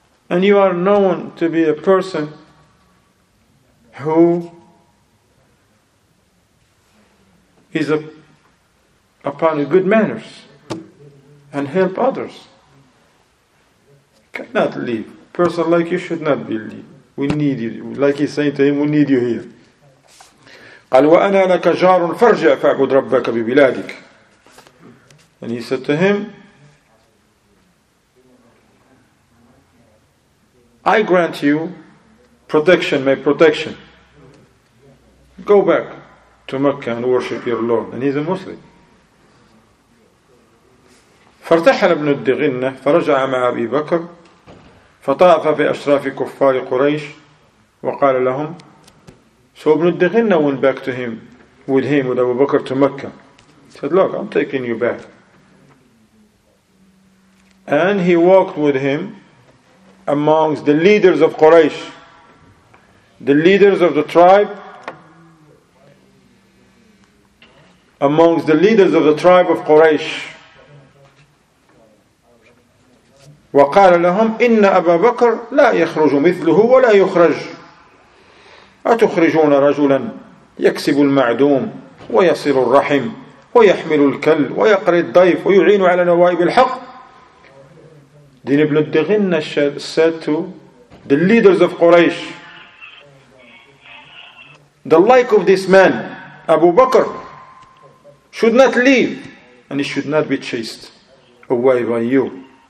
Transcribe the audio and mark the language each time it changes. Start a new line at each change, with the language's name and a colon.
English: And you are known to be a person who is upon good manners and help others. Cannot leave. Person like you should not be leave. We need you. Like he's saying to him, we need you here.
Arabic: قال وأنا لك جار فرجع فاعبد ربك ببلادك.
English: And he said to him, I grant you protection, my protection. Go back to Mecca and worship your Lord. And he's a Muslim.
Arabic: فارتحل ابن الدغنة فرجع مع أبي بكر فطاف في أشراف كفار قريش وقال لهم.
English: So ابن الدغنة went back to him with him with Abu Bakr to Mecca. He said, look, I'm taking you back. And he walked with him amongst the leaders of Quraysh, the leaders of the tribe, amongst the leaders of the tribe of Quraysh.
Arabic: وقال لهم إن أبا بكر لا يخرج مثله ولا يخرج أتخرجون رجلا يكسب المعدوم ويصل الرحم ويحمل الكل ويقري الضيف ويعين على نوائب الحق.
English: Then Ibn Dighinna said to the leaders of Quraysh, the like of this man, Abu Bakr, should not leave and he should not be chased away by you.